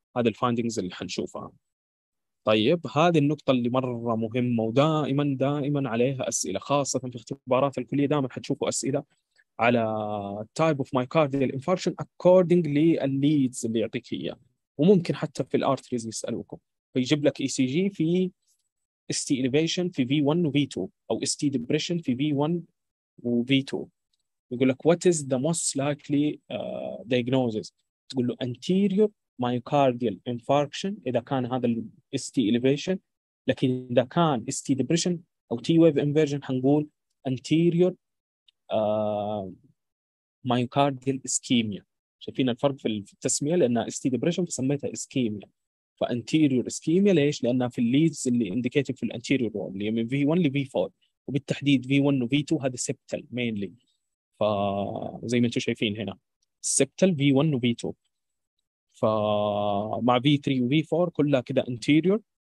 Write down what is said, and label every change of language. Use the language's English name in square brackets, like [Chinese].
[Arabic] هذه الـ findings اللي حنشوفها. طيب هذه النقطة اللي مرة مهمة ودائما دائما عليها أسئلة، خاصة في اختبارات الكلية دائما حتشوفوا أسئلة على [English] type of myocardial infarction according to the leads [Arabic] اللي يعطيك هي، وممكن حتى في الـ arteries يسألوكم، فيجيب لك ECG في ST elevation في V1 و V2 أو ST depression في V1 و V2. يقول لك [English] what is the most likely diagnosis؟ [Arabic] تقول له [English] anterior myocardial infarction [Arabic] إذا كان هذا الـ [English] ST elevation، [Arabic] لكن إذا كان [English] ST depression [Arabic] أو [English] T wave inversion [Arabic] هنقول [English] anterior myocardial ischemia. [Arabic] شايفين الفرق في التسمية؟ لأن ST depression فسميتها ischemia، فـ [English] anterior ischemia [Arabic] ليش؟ لأنها في leads اللي indicated في الـ anterior wall اللي من V1 لـ V4، وبالتحديد V1 و V2 هذا [English] septal mainly. [Arabic] فزي ما انتم شايفين هنا septal V1 و V2، فمع V3 و V4 كلها كده anterior.